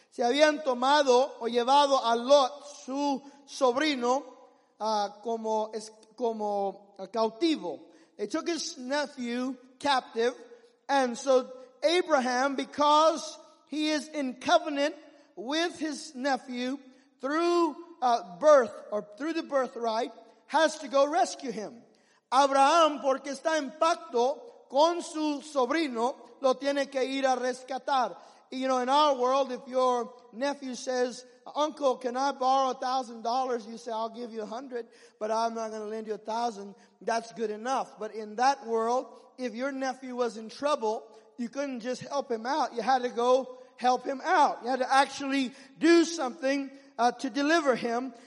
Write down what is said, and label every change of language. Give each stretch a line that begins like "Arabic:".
Spanish: Se habían tomado o llevado a Lot, su sobrino, como cautivo.
English: They took his nephew captive. And so Abraham, because he is in covenant with his nephew through birth or through the birthright, has to go rescue him.
Spanish: Abraham, porque está en pacto con su sobrino, lo tiene que ir a rescatar.
English: You know, in our world, if your nephew says, "Uncle, can I borrow $1,000? You say, "I'll give you $100, but I'm not going to lend you $1,000. That's good enough. But in that world, if your nephew was in trouble, you couldn't just help him out. You had to go help him out. You had to actually do something to deliver him.